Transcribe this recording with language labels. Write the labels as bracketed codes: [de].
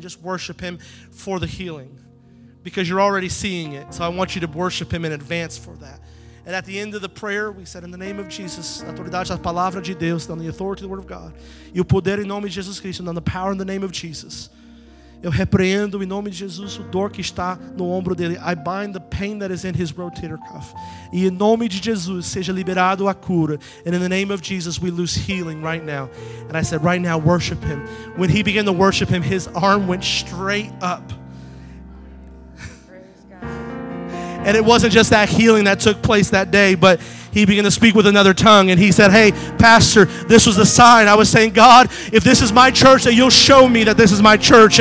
[en] Just worship him for the healing because you're already seeing it. So I want you to worship him in advance for that. And at the end of the prayer, we said, in the name of Jesus, [pt] na autoridade das palavras de Deus, [en] on the authority of the word of God, [pt] e o poder em nome de Jesus Cristo, [en] on the power in the name of Jesus, [pt] eu repreendo em nome de Jesus o dor que está no ombro dele. [en] I bind the pain that is in his rotator cuff. [pt] E em nome de Jesus, seja liberado a cura. [en] And in the name of Jesus, we lose healing right now. And I said, right now, worship him. When he began to worship him, his arm went straight up. And it wasn't just that healing that took place that day, but he began to speak with another tongue. And he said, hey, pastor, this was the sign. I was saying, God, if this is my church, then you'll show me that this is my church.